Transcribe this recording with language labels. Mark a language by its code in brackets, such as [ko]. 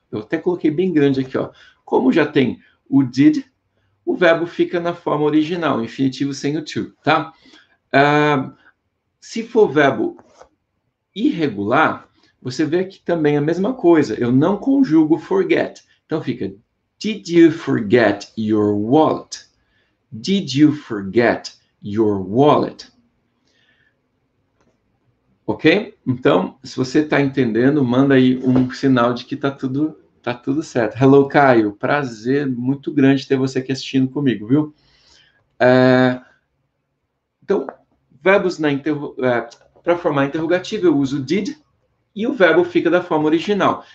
[pt] Eu até coloquei bem grande aqui, ó. Como já tem o did, o verbo fica na forma original, infinitivo sem o to, tá? Se for verbo irregular, você vê aqui também a mesma coisa. Eu não conjugo forget. Então fica, [en] did you forget your wallet? Did you forget your wallet? Ok? [pt] Então, se você está entendendo, manda aí um sinal de que está tudo certo. Hello, Caio. Prazer muito grande ter você aqui assistindo comigo, viu? Então, verbos para formar interrogativo, eu uso did e o verbo fica da forma original.